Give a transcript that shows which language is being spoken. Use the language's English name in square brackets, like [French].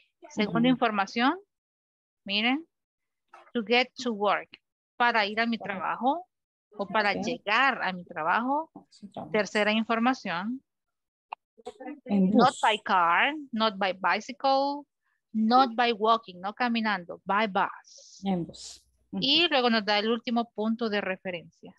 [Spanish] Segunda información, miren, [English] to get to work, [Spanish] para ir a mi trabajo o para llegar a mi trabajo. Tercera información, [English] not by car, not by bicycle, not by walking, [Spanish] no caminando, [English] by bus. [Spanish] En bus. Y luego nos da el último punto de referencia.